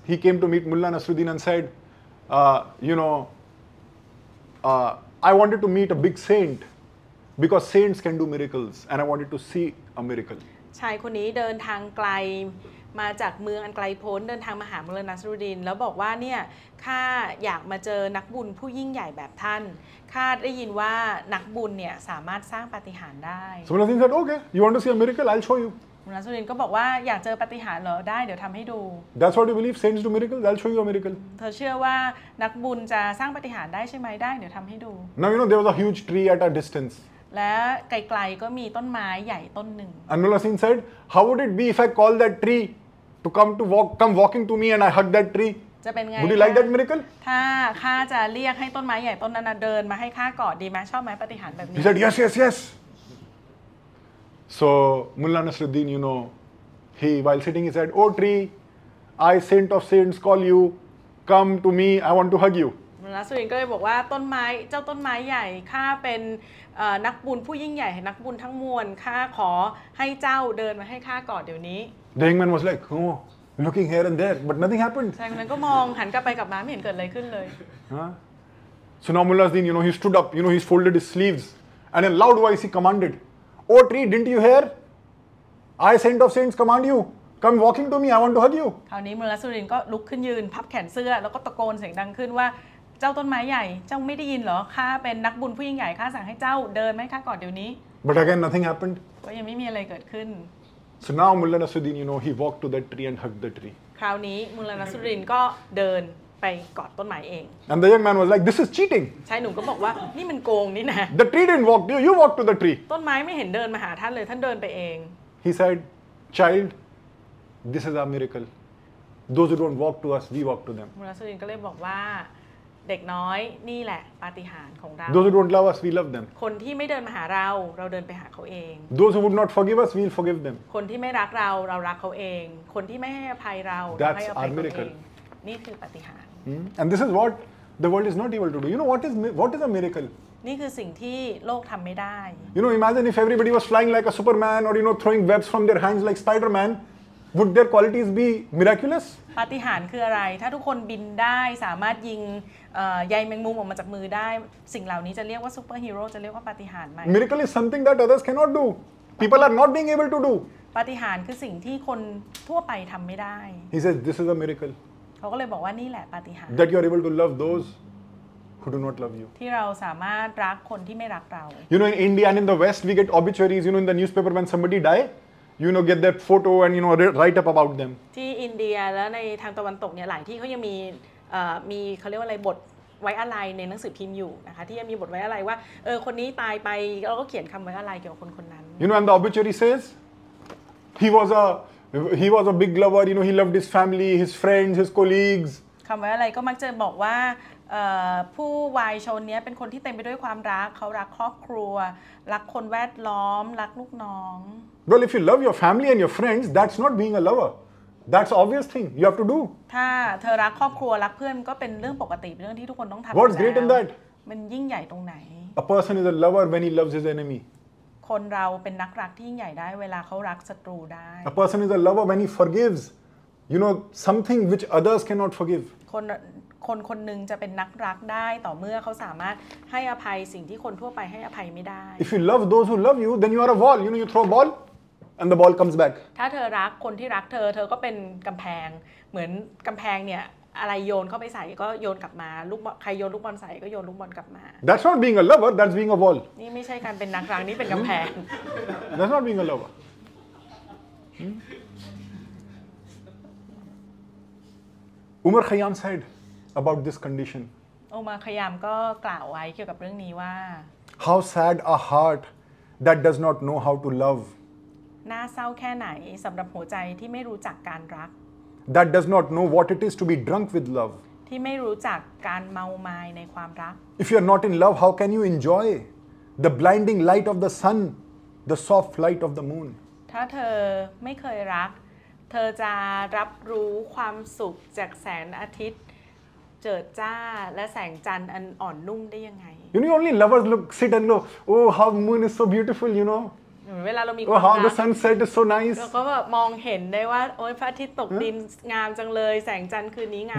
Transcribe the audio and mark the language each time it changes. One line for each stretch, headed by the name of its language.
English: He came to meet Mullah Nasruddin and said, I wanted to meet a big saint. Because saints can do miracles, and I wanted to see a miracle.
Thai: ชายคนนี้เดินทางไกลมาจากเมืองอันไกลโพ้นเดินทางมาหามุลนัสรุดินแล้วบอกว่าเนี่ยข้าอยากมาเจอนักบุญผู้ยิ่งใหญ่แบบท่านข้าได้ยินว่านักบุญเนี่ยสามารถสร้างปาฏิหาริย์ได้
English: So Mullah Nasruddin said, "Okay, you want to see a miracle? I'll show you."
Thai: มุลนัสรุดินก็บอกว่าอยากเจอปาฏิหาริย์เหรอได้เดี๋ยวทำให้ดู
English: That's what you believe. Saints do miracles. I'll show you a miracle.
Thai: เธอเชื่อว่านักบุญจะสร้างปาฏิหาริย์ได้ใช่ไหมได้เดี๋ยวทำให้ดู
English: Now you know there was a huge tree at a distance.
Thai: และไกลๆก็มีต้นไม้ใหญ่ต้นหนึ่ง
English: And Mullah Nasruddin said, How would it be if I call that tree to come walking to me and I hug that tree?
Thai: จะเป็นไง
English: Would you like that miracle?
Thai: ถ้าข้าจะเรียกให้ต้นไม้ใหญ่ต้นนั้นเดินมาให้ข้ากอดดีไหมชอบไหมปฏิหารแบบนี้
English: He said, Yes, yes, yes. So Mullah Nasruddin, you know, he while sitting, he said, Oh tree, I saint of saints call you, come to me, I want to hug you.
Thai: มุลลาสุรินก็เลยบอกว่าต้นไม้เจ้าต้นไม้ใหญ่ข้าเป็นนักบุญผู้ยิ่งใหญ่นักบุญทั้งมวลข้าขอให้เจ้าเดินมาให้ข้ากอดเดี๋ยวนี้
English: The man was like oh looking here and there but nothing happened
Thai: ชายคนนั้นก็มองหันกลับไปกลับมาไม่เห็นเกิดอะไรขึ้นเลย
English: So now Mullah Nasruddin you know he stood up you know he folded his sleeves and in a loud voice he commanded Oh tree didn't you hear I sent of saints command youCome walking to me I want to hug you
Thai: คราวนี้มุลลาสุรินก็ลุกขึ้นยืนพับแขนเสื้อแล้วก็ตะโกนเสียงดังขึ้นว่าเจ้าต้นไม้ใหญ่เจ้าไม่ได้ยินหรอข้าเป็นนักบุญผู้ยิ่งใหญ่ข้าสั่งให้เจ้าเดินไหมข้ากอดเดี๋ยวนี้
English: But again nothing happened
Thai: ก็ยังไม่มีอะไรเกิดขึ้น
English: So now Mullah Nasruddin you know he walked to that tree and hugged the tree
Thai: คราวนี้มุลลานัสรุดดีนก็เดินไปกอดต้นไม้เอง
English: And the young man was like this is cheating
Thai: ชายหนุ่มก็บอกว่านี่มันโกงนี่นะ
English: The tree didn't walk you walked to the tree
Thai: ต้นไม้ไม่เห็นเดินมาหาท่านเลยท่านเดินไปเอง
English: He said child this is a miracle those who don't walk to us we walk to them
Thai: มุลลานัสรุดดีนก็เลยบอกว่าเด็กน้อยนี่แหละปาฏิหาริย์ของเรา
English: Those who don't love us we love them
Thai: คนที่ไม่เดินมาหาเราเราเดินไปหาเขาเอง
English: Those who would not forgive us we'll forgive them
Thai: คนที่ไม่รักเราเรารักเขาเองคนที่ไม่ให้อภัยเราให้อภัยเขาเองนี่คือปาฏิหาริย์
English: And this is what the world is not able to do You know what is a miracle
Thai: นี่คือสิ่งที่โลกทำไม่ได้
English: You know imagine if everybody was flying like a superman or you know throwing webs from their hands like spiderman would their qualities be miraculous
Thai: ปาฏิหาริย์คืออะไรถ้าทุกคนบินได้สามารถยิงใยแมงมุมออกมาจากมือได้สิ่งเหล่านี้จะเรียกว่าซูเปอร์ฮีโร่จะเรียกว่าปาฏิหาริย์ไหม
English: Miracle is something that others cannot do. People are not being able to do.
Thai: ปาฏิหาริย์คือสิ่งที่คนทั่วไปทำไม่ได้
English: He says this is a miracle.
Thai: เขาก็เลยบอกว่านี่แหละปาฏิหาริ
English: ย์ That you are able to love those who do not love you.
Thai: ที่เราสามารถรักคนที่ไม่รักเรา
English: You know in India and in the West we get obituaries. You know in the newspaper when somebody die. You know, get that photo and you know, write up about them.
Thai: ที่อินเดียแล้วในทางตะวันตกเนี่ยหลายที่เขายังมีเขาเรียกว่าอะไรบทไว้อะไรในหนังสือพิมพ์อยู่นะคะที่ยังมีบทไว้อะไรว่าคนนี้ตายไปเราก็เขียนคำไว้อะไรเกี่ยวกับคนคนนั้น
English: You know, and the obituary says he was a big lover. You know, he loved his family, his friends, his colleagues.
Thai: คำไว้อะไรก็มักจะบอกว่าผู้วายชนเนี้ยเป็นคนที่เต็มไปด้วยความรักเขารักครอบครัวรักคนแวดล้อมรักลูกน้อง
English: Well, if you love your family and your friends, that's not being a lover. That's an obvious thing you have to do.
Thai: ถ้าเธอรักครอบครัวรักเพื่อนก็เป็นเรื่องปกติเรื่องที่ทุกคนต้องทำ
English: What's great in that?
Thai: มันยิ่งใหญ่ตรงไหน
English: A person is a lover when he loves his enemy.
Thai: คนเราเป็นนักรักที่ยิ่งใหญ่ได้เวลาเขารักศัตรูได้
English: A person is a lover when he forgives, you know, something which others cannot forgive.
Thai: คนคนหนึ่งจะเป็นนักรักได้ต่อเมื่อเขาสามารถให้อภัยสิ่งที่คนทั่วไปให้อภัยไม่ได้
English: If you love those who love you, then you are a wall. You know, you throw a ball. And the ball comes back.
Thai: ถ้าเธอรักคนที่รักเธอเธอก็เป็นกำแพงเหมือนกำแพงเนี่ย อะไรโยนเข้าไปใส่ก็โยนกลับมาลูกใครโยนลูกบอลใส่ก็โยนลูกบอลกลับมา
English: That's not being a lover that's being a wall
Thai: นี่ไม่ใช่การเป็นนักรังนี่เป็นกำแพง
English: That's not being a lover Umar Khayyam said about this condition
Thai: Umar Khayyam ก็กล่าวไว้เกี่ยวกับเรื่องนี้ว่า
English: How sad a heart that does not know how to love
Thai: น่าเศร้าแค่ไหนสำหรับหัวใจที่ไม่รู้จักการรัก
English: That does not know what it is to be drunk with love.
Thai: ที่ไม่รู้จักการเมามายในความรัก
English: If you are not in love, how can you enjoy the blinding light of the sun, the soft light of the moon?
Thai: ถ้าเธอไม่เคยรักเธอจะรับรู้ความสุขจากแสงอาทิตย์เจิดจ้าและแสงจันทร์อันอ่อนนุ่มได้ยังไง
English: You know, only lovers look sit and go, oh, how moon is so beautiful, you know.
Thai: เวลาเรามี ความรัก
English: Oh, how the sunset is so nice
Thai: เราก็แบบมองเห็นได้ว่าโอ้ยพระอาทิตย์ตกดินงามจังเลยแสงจันทร์คืนนี้งาม